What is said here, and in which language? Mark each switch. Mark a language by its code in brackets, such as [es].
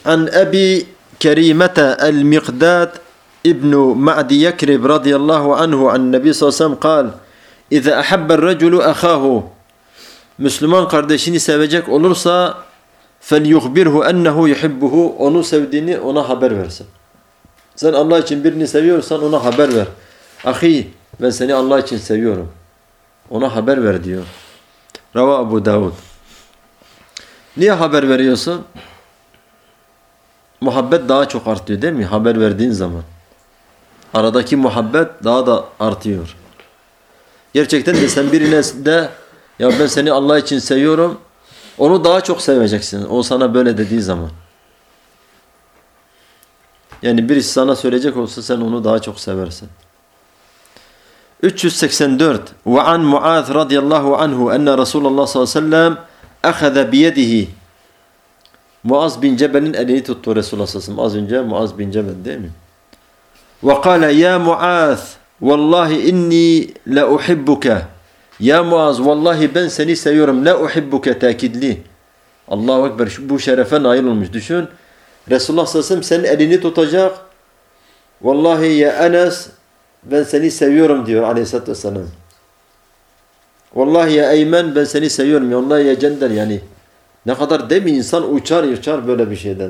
[ar] An Ebi Kerimete el Miqdad ابن معد يكرب رضي الله عنه عن النبي صلى الله عليه وسلم قال إذا أحب الرجل أخاه, مسلمان [tr] kardeşini sevecek olursa [ar] فليخبره أنه يحبه, [tr] onu sevdiğini ona haber versin. Sen Allah için birini seviyorsan ona haber ver. Ahi, ben seni Allah için seviyorum. Ona haber ver diyor. Rava Abu Davud. Niye haber veriyorsun? Muhabbet daha çok artıyor değil mi? Haber verdiğin zaman. Aradaki muhabbet daha da artıyor. Gerçekten de sen birine de ya ben seni Allah için seviyorum, onu daha çok seveceksin. O sana böyle dediği zaman. Yani birisi sana söyleyecek olsa sen onu daha çok seversin. 384. [ar] وَعَنْ مُعَاذْ رَضِيَ اللّٰهُ عَنْهُ اَنَّ رَسُولَ اللّٰهُ صَلَى اللّٰهُ سَلَّمْ اَخَذَ بِيَدِهِ, [tr] Muaz bin Cebel'in elini tuttu Resulullah sallallahu aleyhi ve sellem. Az önce Muaz bin Cebel değil mi? [ar] وقال يا معاذ والله اني لا احبك, يا معاذ والله [tr] ben seni seviyorum, [ar] لا احبك تاكيدli. [tr] Allahu ekber, bu şerefe nail olmuş. Düşün, Resulullah sallallahu aleyhi ve sellem senin elini tutacak, vallahi ya Enes ben seni seviyorum diyor aleyhissalatu vesselam, vallahi ya Eymen ben seni seviyorum, vallahi ya Cender. Yani ne kadar değil mi, insan uçar uçar böyle bir şeyden.